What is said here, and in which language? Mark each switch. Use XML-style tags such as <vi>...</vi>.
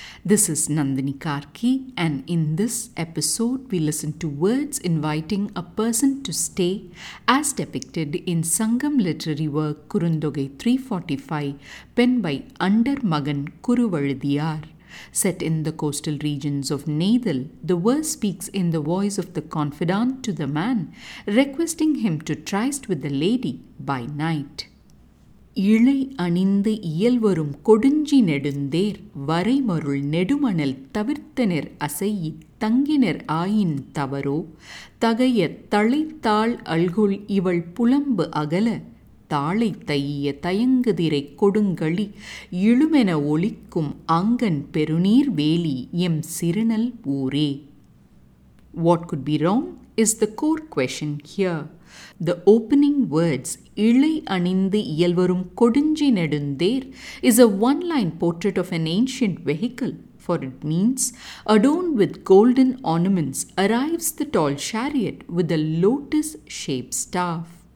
<en>This is Nandini Karki, and in this episode we listen to words inviting a person to stay as depicted in Sangam literary work Kurundogai 345 penned by Andarmagan Kuruvazhudiyar. Set in the coastal regions of Nadal, the verse speaks in the voice of the confidant to the man, requesting him to tryst with the lady by night.</en> <ta>இழை அணிந்து இயல் வரும் கொடுஞ்சி நெடுந்தேர் வரைமருள் நெடுமணல் தவிர்த்தனர் அசை தங்கினர் ஆயின் தவரோ தகைய தழைத்தாள் அல்குள் இவள் புலம்பு அகல தாளை தையிய தயங்குதிரை கொடுங்கழி இழுமென ஒழிக்கும் அங்கன் பெருநீர் வேலி எம் சிறுநல் ஊரே.</ta> <en>What could be wrong is the core question here. The opening words, Ilai anindu iyalvarum kodunji nedundher, is a one-line portrait of an ancient vehicle, for it means, adorned with golden ornaments, arrives the tall chariot with a lotus-shaped staff.</en>